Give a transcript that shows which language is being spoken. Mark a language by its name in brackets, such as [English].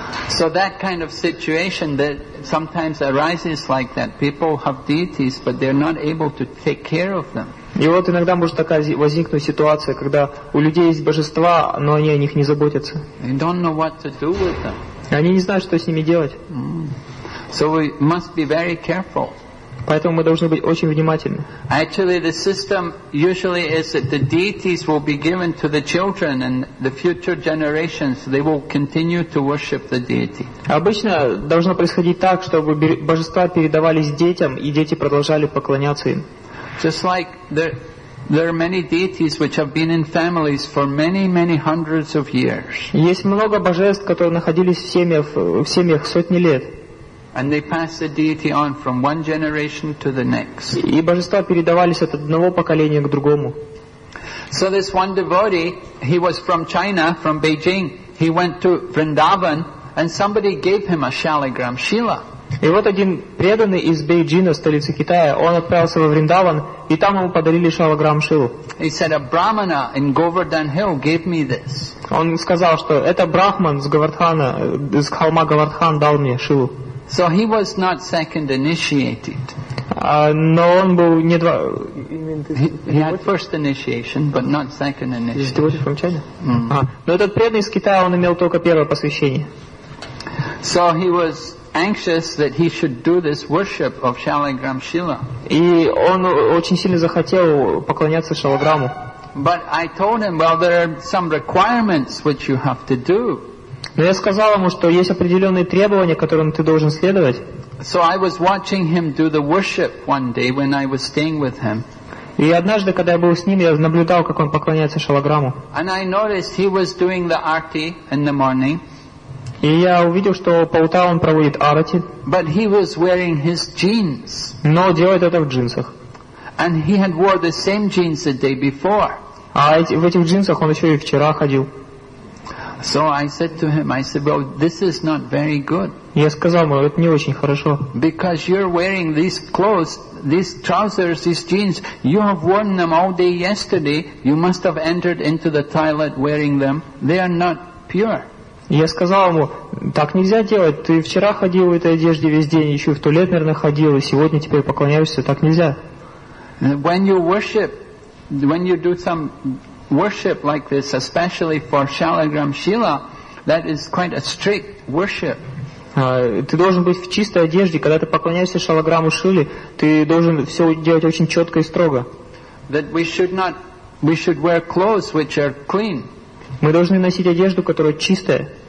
[English] So that kind of situation that sometimes arises like that. People have deities, but they're not able to take care of them. [Russian] И вот иногда может такая возникнуть ситуация, когда у людей есть божества, но они о них не заботятся. [English] They don't know what to do with them. [Russian] Они не знают, что с ними делать. [English] Mm. So we must be very careful. [Russian] Поэтому мы должны быть очень внимательны. [English] Actually, the system usually is that the deities will be given to the children and the future generations, they will continue to worship the deity. [Russian] Обычно должно происходить так, чтобы божества передавались детям, и дети продолжали поклоняться им. [English] Just like there are many deities which have been in families for many, many hundreds of years. [Russian] Есть много божеств, которые находились в семьях сотни лет. [English] And they pass the deity on from one generation to the next. [Russian] И божества передавались от одного поколения к другому. [English] So this one devotee, he was from China, from Beijing. He went to Vrindavan, and somebody gave him a shaligram shila. [Russian] И вот один преданный из Бейджина, столицы Китая, он отправился во Вриндаван, и там ему подарили шалограм шилу. [English] He said, a brahmana in Govardhan Hill gave me this. [Russian] Он сказал, что это брахман с Говардхана, с холма Говардхан дал мне шилу. [English] So he was not second initiated. [Russian] Но он был не два. [English] He had first initiation, but not second initiation. Is he from China? [Russian] Но этот преданный из Китая, он имел только первое посвящение. [English] So he was anxious that he should do this worship of Shaligram Shila. [Russian] И он очень сильно захотел поклоняться шалограмму. [English] But I told him, well, there are some requirements which you have to do. [Russian] Но я сказал ему, что есть определенные требования, которым ты должен следовать. [English] So I was watching him do the worship one day when I was staying with him. [Russian] И однажды, когда я был с ним, я наблюдал, как он поклоняется шалограмму. [English] And I noticed he was doing the arti in the morning. [Russian] И я увидел, что по утрам он проводит арати. [English] But he was wearing his jeans. [Russian] Но делает это в джинсах. [English] And he had wore the same jeans the day before. [Russian] А в этих джинсах он еще и вчера ходил. [English] So I said to him, I said, well, this is not very good. [Russian] Я сказал ему, это не очень хорошо. [English] Because you're wearing these clothes, these trousers, these jeans, you have worn them all day yesterday. You must have entered into the toilet wearing them. They are not pure. [Russian] Я сказал ему, так нельзя делать. Ты вчера ходил в этой одежде весь день, еще в туалет, наверное, ходил, и сегодня теперь поклоняешься. Так нельзя. [English] When you worship, when you do some worship like this, especially for Shaligram Shila, that is quite a strict worship. [Russian] Ты должен быть в чистой одежде, когда ты поклоняешься Шалограмму Шиле, ты должен все делать очень четко и строго. [English] That we should wear clothes which are clean. [Russian] Мы должны носить одежду, которая чистая.